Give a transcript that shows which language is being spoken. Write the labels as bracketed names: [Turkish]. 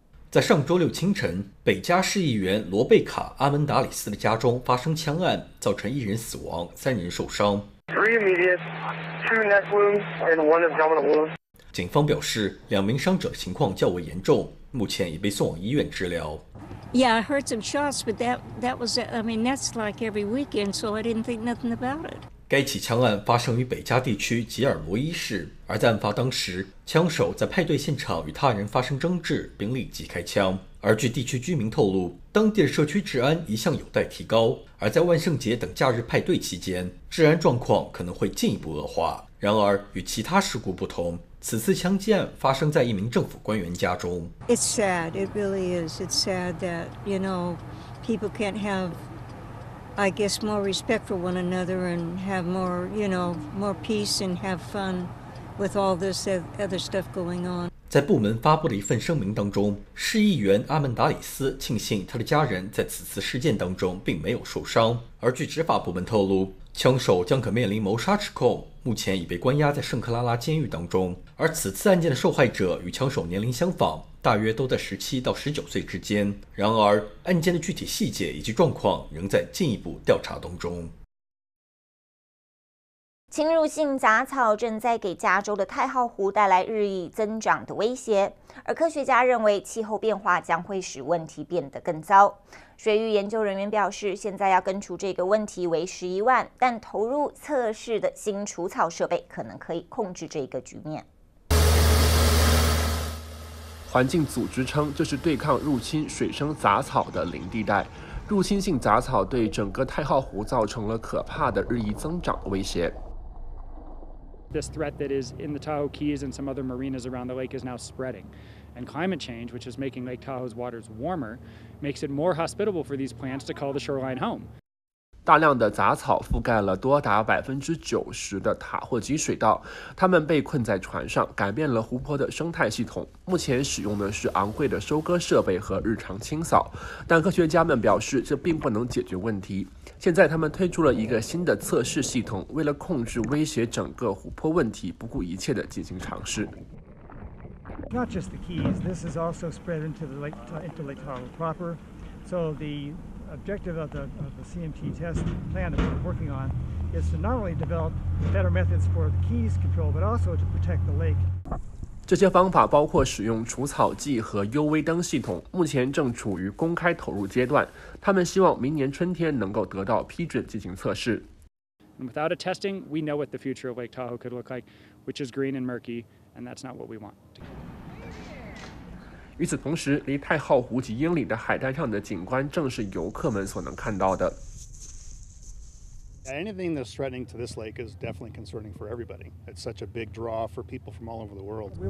[Chinese] 在上周六清晨，北加市议员罗贝卡·阿门达里斯的家中发生枪案，造成一人死亡，三人受伤。警方表示，两名伤者情况较为严重，目前已被送往医院治疗。 [English] Yeah, I heard some shots, but that's like every weekend, so I didn't think nothing about it. [Chinese] 该起枪案发生于北加地区吉尔罗伊市。而在案发当时，枪手在派对现场与他人发生争执，并立即开枪。而据地区居民透露，当地的社区治安一向有待提高，而在万圣节等假日派对期间，治安状况可能会进一步恶化。然而，与其他事故不同，此次枪击案发生在一名政府官员家中。 [English] It's sad. It really is. It's sad that, you know, people can't have, I guess, more respect for one another and have more, you know, more peace and have fun. With all this other stuff going on. [Chinese] 在部门发布的一份声明当中，市议员阿门达里斯庆幸他的家人在此次事件当中并没有受伤。而据执法部门透露，枪手将可面临谋杀指控，目前已被关押在圣克拉拉监狱当中。而此次案件的受害者与枪手年龄相仿，大约都在17到19岁之间。然而，案件的具体细节以及状况仍在进一步调查当中。侵入性杂草正在给加州的太浩湖带来日益增长的威胁，而科学家认为气候变化将会使问题变得更糟。水域研究人员表示，现在要根除这个问题为110,000，但投入测试的新除草设备可能可以控制这个局面。环境组织称，这是对抗入侵水生杂草的零地带。入侵性杂草对整个太浩湖造成了可怕的日益增长的威胁。 [English] This threat that is in the Tahoe Keys and some other marinas around the lake is now spreading. And climate change, which is making Lake Tahoe's waters warmer, makes it more hospitable for these plants to call the shoreline home. [Chinese] 大量的杂草覆盖了多达90%的塔霍基水道，它们被困在船上，改变了湖泊的生态系统。目前使用的是昂贵的收割设备和日常清扫，但科学家们表示，这并不能解决问题。现在他们推出了一个新的测试系统，为了控制威胁整个湖泊问题，不顾一切地进行尝试。 [English] Not just the keys, this is also spread into the lake, into Lake Tahoe proper. So the objective of the CMT test plan that we're working on is to not only develop better methods for the keys control, but also to protect the lake. [Chinese] 这些方法包括使用除草剂和 UV 灯系统，目前正处于公开投入阶段。他们希望明年春天能够得到批准进行测试。 [English] Without a testing, we know what the future of Lake Tahoe could look like, which is green and murky, and that's not what we want. [Chinese] 与此同时，离太浩湖几英里的海滩上的景观正是游客们所能看到的。 [English] Anything that's threatening to this lake is definitely concerning for everybody. It's such a big draw for people from all over the world.